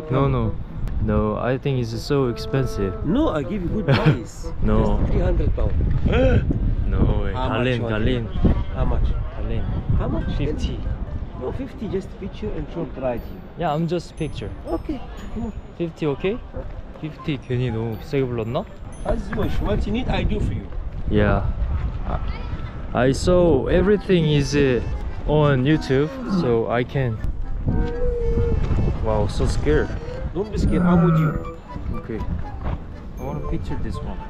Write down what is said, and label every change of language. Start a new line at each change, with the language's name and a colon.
English: car. No, I think it's so expensive. No, I give you good price. No. It's 300 pounds. No way. Galin. How much? Galin. How much? 50. No, 50, just picture and short ride. Yeah, I'm just picture. Okay. 50, okay?
Korean: 50, 괜히 너무 비싸게 불렀나?
English: As much. What you need, I do for you. Yeah. I saw everything is on YouTube, so I can. Wow, so scared. Don't be scared, I'm with you. Okay. I want to picture this one.